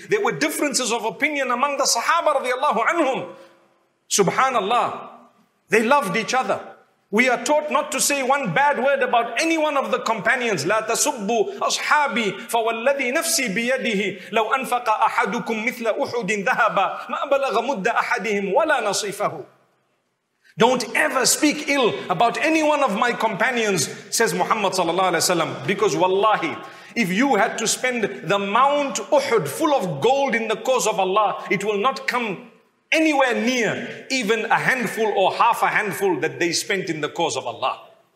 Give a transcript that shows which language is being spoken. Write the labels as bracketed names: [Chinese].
[English] There were differences of opinion among the Sahaba radiallahu anhum. Subhanallah. They loved each other. We are taught not to say one bad word about any one of the companions. [Arabic] لا تسبوا أصحابي فوالذي نفسي بيده لو أنفق أحدكم مثل أحد ذهبا ما بلغ مد أحدهم ولا نصيفه. [English] Don't ever speak ill about any one of my companions, says Muhammad sallallahu alaihi wasallam, because wallahi, if you had to spend the Mount Uhud full of gold in the cause of Allah, it will not come anywhere near even a handful or half a handful that they spent in the cause of Allah.